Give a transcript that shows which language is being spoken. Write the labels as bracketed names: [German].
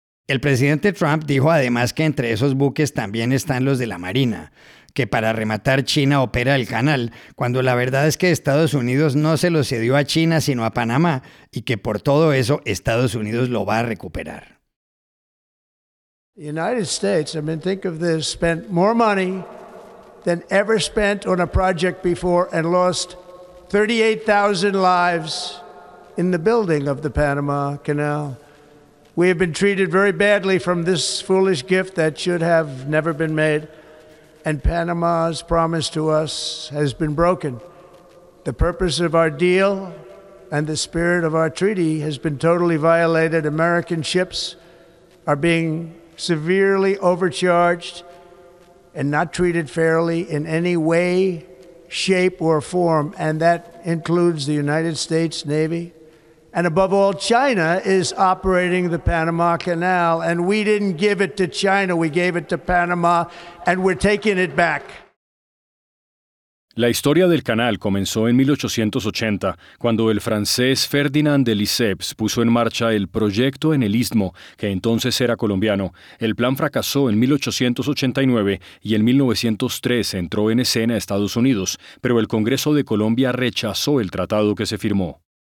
[Spanish] El presidente Trump dijo además que entre esos buques también están los de la Marina, que para rematar China opera el canal, cuando la verdad es que Estados Unidos no se lo cedió a China sino a Panamá y que por todo eso Estados Unidos lo va a recuperar. [English] The United States, I mean, think of this, spent more money than ever spent on a project before and lost 38,000 lives in the building of the Panama Canal. We have been treated very badly from this foolish gift that should have never been made, and Panama's promise to us has been broken. The purpose of our deal and the spirit of our treaty has been totally violated. American ships are being severely overcharged and not treated fairly in any way, shape, or form, and that includes the United States Navy. And above all, China is operating the Panama Canal, and we didn't give it to China, we gave it to Panama, and we're taking it back. [Spanish] La historia del canal comenzó en 1880, cuando el francés Ferdinand de Lesseps puso en marcha el proyecto en el Istmo, que entonces era colombiano. El plan fracasó en 1889 y en 1903 entró en escena Estados Unidos, pero el Congreso de Colombia rechazó el tratado que se firmó.